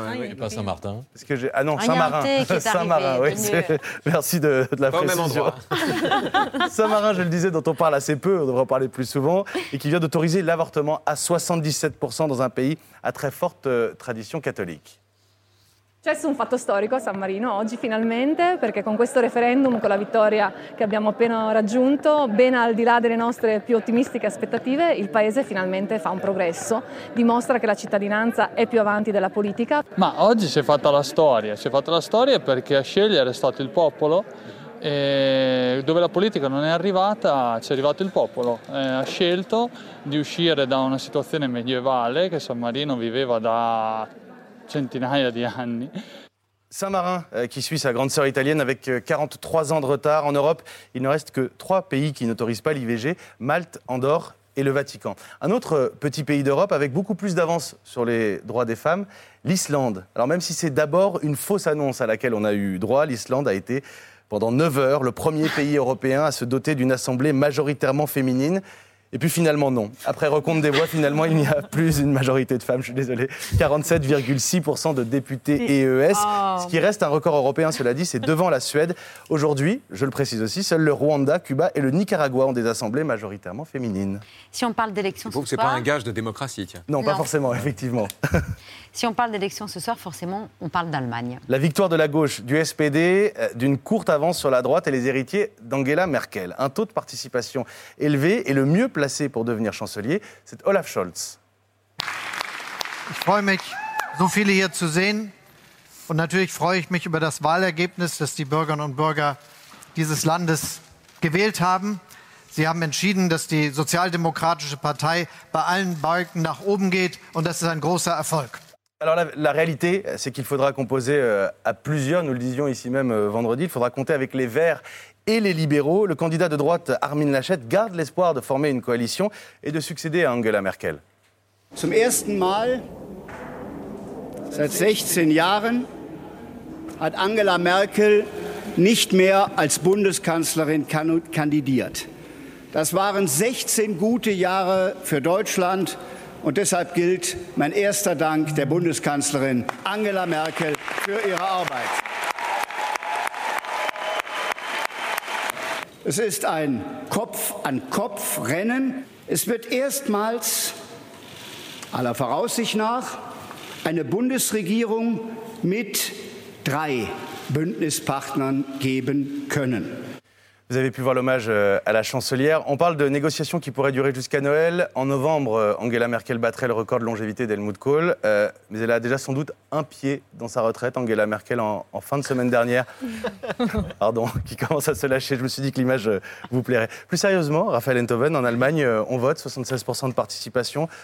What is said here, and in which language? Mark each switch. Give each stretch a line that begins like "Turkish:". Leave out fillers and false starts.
French: Et pas Saint-Martin. Parce que ah non, Saint-Marin. Saint-Marin, oui. Merci de la précision. Pas au même endroit. Saint-Marin, je le disais, dont on parle assez peu, on devrait en parler plus souvent, et qui vient d'autoriser l'avortement à 77% dans un pays à très forte tradition catholique.
Italian: C'è un fatto storico a San Marino oggi finalmente, perché con questo referendum, con la vittoria che abbiamo appena raggiunto, ben al di là delle nostre più ottimistiche aspettative, il paese finalmente fa un progresso, dimostra che la cittadinanza è più avanti della politica. Ma oggi si è fatta la storia perché a scegliere è stato il popolo, e dove la politica non è arrivata, c'è arrivato il popolo, ha scelto di uscire da una situazione medievale che San Marino viveva da centinaia di anni.
French: Saint-Marin, qui suit sa grande sœur italienne avec 43 ans de retard en Europe, il ne reste que 3 pays qui n'autorisent pas l'IVG, Malte, Andorre et le Vatican. Un autre petit pays d'Europe avec beaucoup plus d'avance sur les droits des femmes, l'Islande. Alors même si c'est d'abord une fausse annonce à laquelle on a eu droit, l'Islande a été pendant 9 heures le premier pays européen à se doter d'une assemblée majoritairement féminine. Et puis finalement, non. Après recompte des voix, finalement, il n'y a plus une majorité de femmes, je suis désolé. 47,6% de députés et EES. Oh. Ce qui reste un record européen, cela dit, c'est devant la Suède. Aujourd'hui, je le précise aussi, seuls le Rwanda, Cuba et le Nicaragua ont des assemblées majoritairement féminines. Si on parle d'élections ce soir... C'est pas un gage de démocratie, tiens. Non, pas forcément, effectivement. Si on parle d'élections ce soir, forcément, on parle d'Allemagne. La victoire de la gauche, du SPD, d'une courte avance sur la droite et les héritiers d'Angela Merkel. Un taux de participation élevé et le mieux placé pour devenir chancelier, c'est Olaf Scholz.
German: Ich freue mich, so viele hier zu sehen. Und natürlich freue ich mich über das Wahlergebnis, das die Bürgerinnen und Bürger dieses Landes gewählt haben. Sie haben entschieden, dass die sozialdemokratische Partei bei allen Balken nach oben geht. Und das ist ein großer Erfolg.
French: Alors la réalité, c'est qu'il faudra composer à plusieurs, nous le disions ici même vendredi, il faudra compter avec les Verts et les Libéraux. Le candidat de droite, Armin Laschet, garde l'espoir de former une coalition et de succéder à Angela Merkel.
German: Zum ersten Mal seit 16 Jahren hat Angela Merkel nicht mehr als Bundeskanzlerin kandidiert. Das waren 16 gute Jahre für Deutschland. Und deshalb gilt mein erster Dank der Bundeskanzlerin Angela Merkel für ihre Arbeit. Es ist ein Kopf-an-Kopf-Rennen. Es wird erstmals, aller Voraussicht nach, eine Bundesregierung mit drei Bündnispartnern geben können.
French: Vous avez pu voir l'hommage à la chancelière. On parle de négociations qui pourraient durer jusqu'à Noël. En novembre, Angela Merkel battrait le record de longévité d'Helmut Kohl. Mais elle a déjà sans doute un pied dans sa retraite, Angela Merkel, en fin de semaine dernière. Pardon, qui commence à se lâcher. Je me suis dit que l'image vous plairait. Plus sérieusement, Raphaël Enthoven, en Allemagne, on vote, 76% de participation.